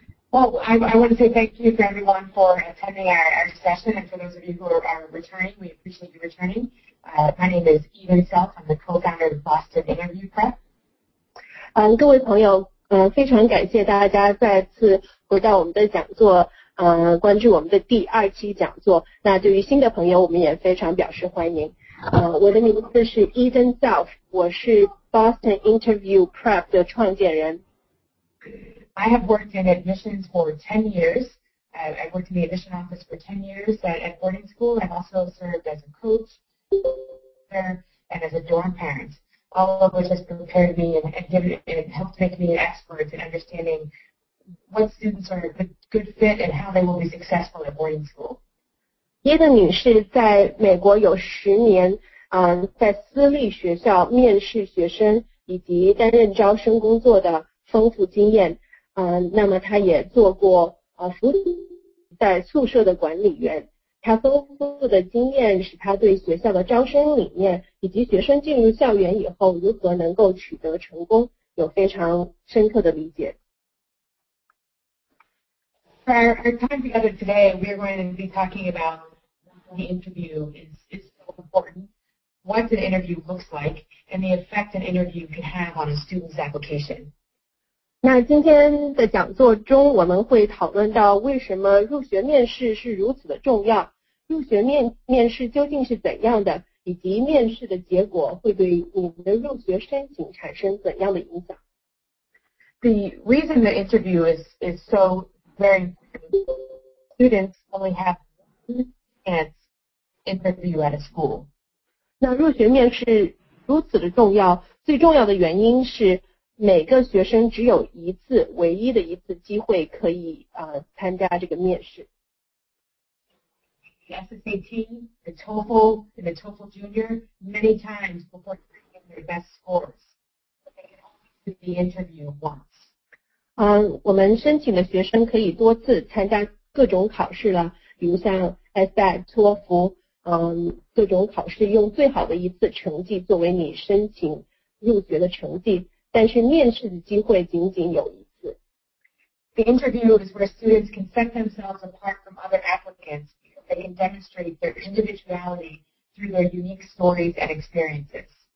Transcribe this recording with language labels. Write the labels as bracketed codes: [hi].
[en] Well, I want to say thank you to everyone for attending our session, and for those of you who are returning, we appreciate you returning. My name is Eden Self. I'm the co-founder of Boston Interview Prep. [zh] 各位朋友，非常感谢大家再次回到我们的讲座，关注我们的第二期讲座。那对于新的朋友，我们也非常表示欢迎。我的名字是 Eden Self， 我是 Boston Interview Prep 的创建人。 [en] I have worked in admissions for 10 years. I worked in the admission office for 10 years at boarding school. I've also served as a coach and as a dorm parent, all of which has prepared me and helped make me an expert in understanding what students are a good fit and how they will be successful at boarding school. [zh] 伊登女士在美国有十年，在私立学校面试学生以及担任招生工作的丰富经验。那么他也做过福利在宿舍的管理员，他丰富的经验使他对学校的招生理念以及学生进入校园以后如何能够取得成功有非常深刻的理解。 [en] For our time together today, we are going to be talking about the interview is so important, what an interview looks like, and the effect an interview can have on a student's application. [zh] 那今天的讲座中我们会讨论到为什么入学面试是如此的重要，入学面试究竟是怎样的，以及面试的结果会对你们的入学申请产生怎样的影响。 [en] The reason the interview is so very important, students only have one chance interview at a school. [zh] 那入学面试如此的重要，最重要的原因是每个学生只有一次，唯一的一次机会可以参加这个面试。 [en] The SAT, the TOEFL, and the TOEFL Junior, many times before getting their best scores, they can only do the interview once. [zh] 我们申请的学生可以多次参加各种考试了，比如像 SAT、TOEFL， 各种考试用最好的一次成绩作为你申请入学的成绩。但是面试的机会仅仅有一次。 [en] The interview is where students can set themselves apart from other applicants because they can demonstrate their individuality through their unique stories and experiences.